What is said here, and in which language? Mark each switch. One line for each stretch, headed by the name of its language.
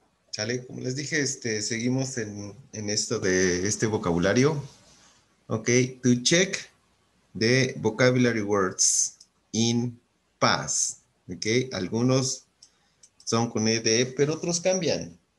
Spanish: Chale, como les dije, seguimos en esto de este vocabulario.
English: Ok, to check the vocabulary words in past.
Spanish: Ok, algunos son con ED, pero otros cambian.